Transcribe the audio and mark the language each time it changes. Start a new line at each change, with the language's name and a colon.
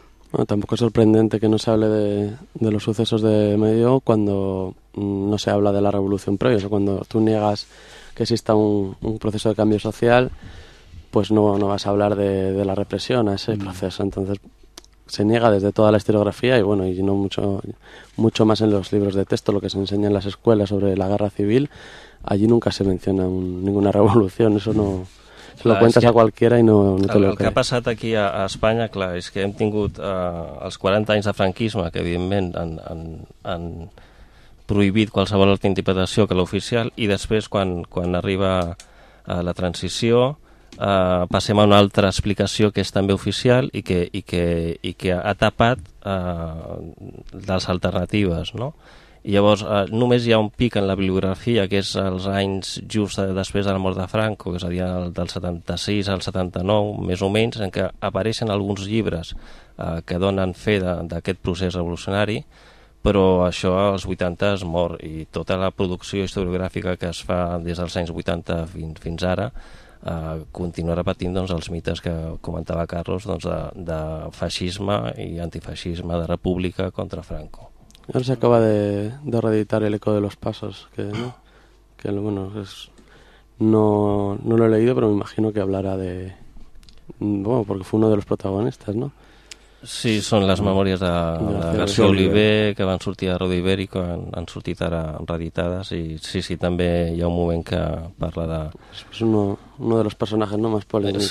Spanish: Bueno, tampoco es sorprendente que no se hable de los sucesos de mayo cuando no se habla de la revolución previa. O sea, cuando tú niegas que exista un proceso de cambio social, pues no vas a hablar de la represión a ese, uh-huh, proceso. Entonces se niega desde toda la historiografía y, bueno, y no mucho, mucho más en los libros de texto, lo que se enseña en las escuelas sobre la guerra civil, allí nunca se menciona ninguna revolución, eso no... Se lo cuentas a cualquiera y no te lo crees.
Catalan: El que ha passat aquí a Espanya, clar, és que hem tingut els 40 anys de franquisme, que evidentment han prohibit qualsevol altra interpretació que l'oficial, i després quan arriba la transició... passem a una altra explicació que és també oficial i que ha tapat les alternatives, no? I llavors només hi ha un pic en la bibliografia, que és els anys just després de la mort de Franco, que seria del 76 al 79 més o menys, en què apareixen alguns llibres que donen fe d'aquest procés revolucionari, però això als 80 es mor, i tota la producció historiogràfica que es fa des dels anys 80 fins ara continua repetint, doncs, els mites que comentava Carlos, doncs, de feixisme i antifeixisme, de república contra Franco. Ara s'acaba de reeditar
Spanish: El eco de los pasos, que bueno, no lo he leído, pero me imagino que hablará de... Bueno, porque fue uno de los protagonistas, ¿no?
Catalan: Sí, són les memòries de García Oliver, que van sortir a Radio Ibérico, han sortit ara reeditades, i sí, també hi ha un moment que parla de...
Spanish: És uno de los personajes, ¿no?, más polémicos.